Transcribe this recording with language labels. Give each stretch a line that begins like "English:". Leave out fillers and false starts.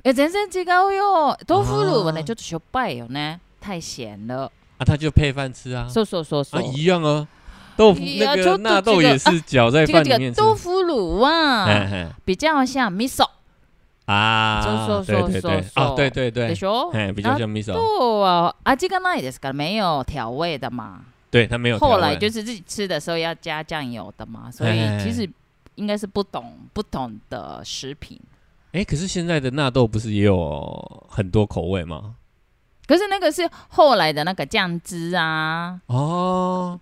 Japanese: 全然違うよ。豆腐乳はね、ちょっとしょっぱいよね、
Chinese: 太咸了。啊，它就配饭吃啊。
Japanese: そうそうそうそう。
Chinese: 啊，一样啊。豆腐那个纳豆也是搅在饭里面吃。这个豆腐乳啊，比较像味噌。啊，
Japanese: そうそうそうそう。
Chinese: 对对对对。
Japanese: でしょ？
Chinese: 比较像味噌。豆腐啊，
Japanese: 味がないですから、
Chinese: 没有调味的嘛。对，它没有。后来就是自己吃的时候要加酱油的嘛，所以其实。应该是不同的食品，可是现在的纳豆不是也有很多口味吗？可是那个是后来的那个酱汁啊，哦，